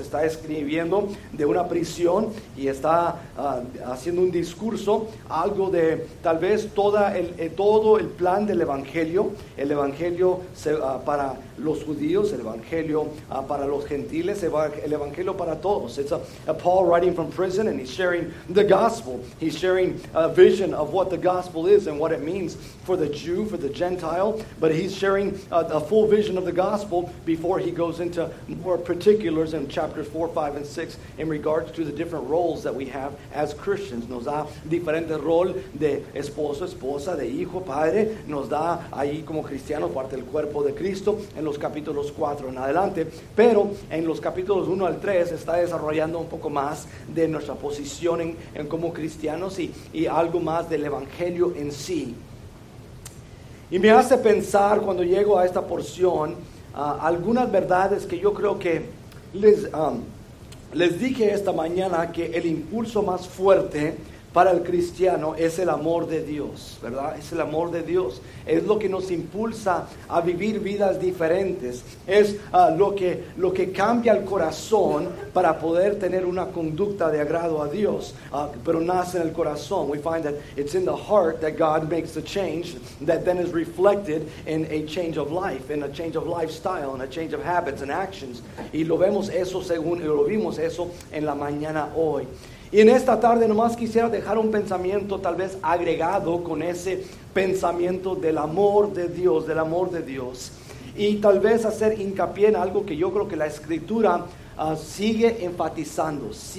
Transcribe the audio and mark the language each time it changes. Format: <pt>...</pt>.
<es>Está escribiendo de una prisión y está haciendo un discurso, algo de tal vez todo el plan del evangelio. El evangelio para los judíos, el evangelio para los gentiles, el evangelio para todos.</es> <en>It's a Paul writing from prison and he's sharing the gospel. He's sharing a vision of what the gospel is and what it means for the Jew, for the Gentile, but he's sharing a full vision of the gospel before he goes into more particulars in chapters 4, 5, and 6 in regards to the different roles that we have as Christians.</en> <es>Nos da diferente rol de esposo, esposa, de hijo, padre. Nos da ahí como cristiano parte del cuerpo de Cristo en los capítulos 4 en adelante. Pero en los capítulos 1 al 3 está desarrollando un poco más de nuestra posición en como cristianos y algo más del evangelio en sí. Y me hace pensar cuando llego a esta porción algunas verdades que yo creo que les dije esta mañana, que el impulso más fuerte para el cristiano es el amor de Dios, ¿verdad? Es el amor de Dios. Es lo que nos impulsa a vivir vidas diferentes. Es lo que cambia el corazón para poder tener una conducta de agrado a Dios. Pero nace en el corazón.</es> <en>We find that it's in the heart that God makes the change that then is reflected in a change of life, in a change of lifestyle, in a change of habits and actions.</en> <es>Y lo vimos eso en la mañana hoy. Y en esta tarde nomás quisiera dejar un pensamiento tal vez agregado con ese pensamiento del amor de Dios, del amor de Dios. Y tal vez hacer hincapié en algo que yo creo que la Escritura sigue enfatizando.</es>